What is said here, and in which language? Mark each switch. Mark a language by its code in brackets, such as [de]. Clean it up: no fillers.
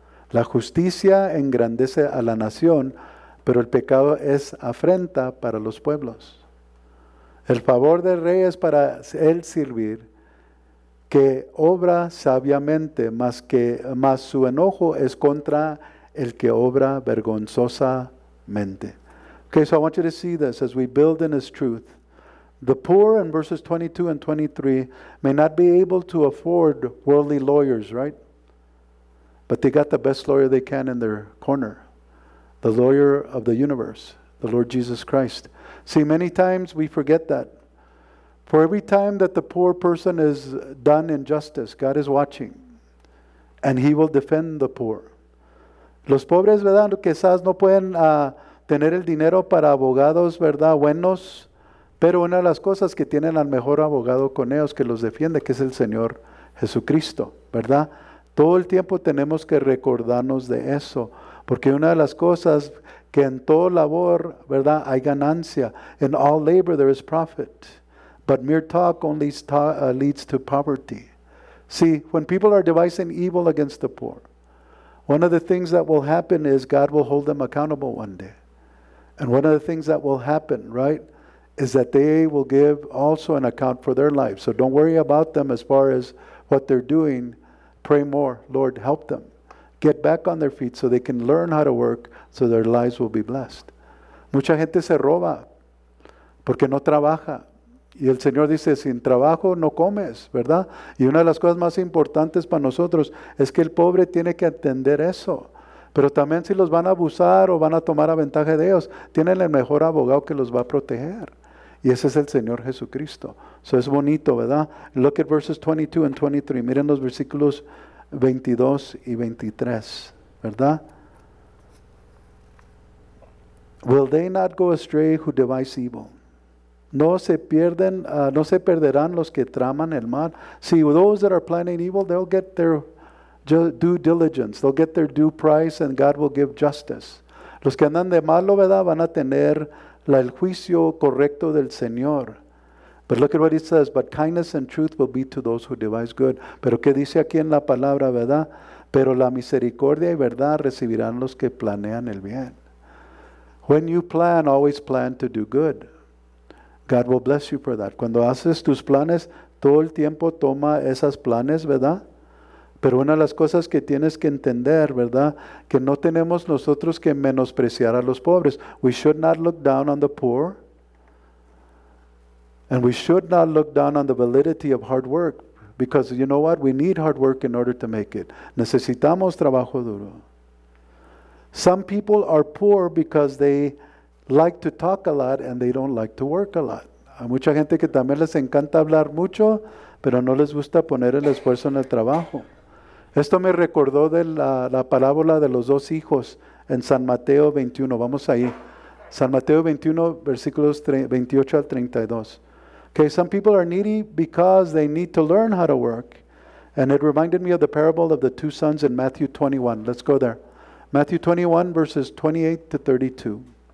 [es] La justicia engrandece a la nación, pero el pecado es afrenta para los pueblos. El favor del rey es para él servir, que obra sabiamente, más su enojo es contra el que obra vergonzosamente. [en] Okay, so I want you to see this as we build in his truth. The poor in verses 22 and 23 may not be able to afford worldly lawyers, right? But they got the best lawyer they can in their corner, the lawyer of the universe, the Lord Jesus Christ. See, many times we forget that. For every time that the poor person is done injustice, God is watching, and he will defend the poor. [es] Los pobres, ¿verdad? Quizás no pueden tener el dinero para abogados, ¿verdad? Buenos, pero una de las cosas que tienen al mejor abogado con ellos que los defiende, que es el Señor Jesucristo, ¿verdad? Todo el tiempo tenemos que recordarnos de eso, porque una de las cosas que en toda labor, ¿verdad? Hay ganancia. [en] In all labor there is profit, but mere talk only leads to poverty. See, when people are devising evil against the poor, one of the things that will happen is God will hold them accountable one day. And one of the things that will happen, right, is that they will give also an account for their life. So don't worry about them as far as what they're doing. Pray more, Lord, help them. Get back on their feet so they can learn how to work so their lives will be blessed. [es] Mucha gente se roba porque no trabaja. Y el Señor dice, sin trabajo no comes, ¿verdad? Y una de las cosas más importantes para nosotros es que el pobre tiene que entender eso. Pero también si los van a abusar o van a tomar a ventaja de ellos, tienen el mejor abogado que los va a proteger. Y ese es el Señor Jesucristo. Eso es bonito, ¿verdad? [en] Look at verses 22 and 23. [es] Miren los versículos 22 y 23, ¿verdad? [en] Will they not go astray who devise evil? [es] No se perderán los que traman el mal. [en] See, those that are planning evil, they'll get their due diligence. They'll get their due price and God will give justice. [es] Los que andan de malo, ¿verdad? Van a tener el juicio correcto del Señor. [en] But look at what it says. But kindness and truth will be to those who devise good. [es] Pero ¿qué dice aquí en la palabra, verdad? Pero la misericordia y verdad recibirán los que planean el bien. [en] When you plan, always plan to do good. God will bless you for that. [es] Cuando haces tus planes, todo el tiempo toma esas planes, ¿verdad? Pero una de las cosas que tienes que entender, ¿verdad? Que no tenemos nosotros que menospreciar a los pobres. [en] We should not look down on the poor. And we should not look down on the validity of hard work. Because you know what? We need hard work in order to make it. [es] Necesitamos trabajo duro. [en] Some people are poor because they like to talk a lot and they don't like to work a lot. [es] Hay mucha gente que también les encanta hablar mucho, pero no les gusta poner el esfuerzo en el trabajo. Esto me recordó de la parábola de los dos hijos en San Mateo 21. Vamos ahí. San Mateo 21, versículos 28 al 32. [en] Okay, some people are needy because they need to learn how to work. And it reminded me of the parable of the two sons in Matthew 21. Let's go there. Matthew 21, verses 28 to 32.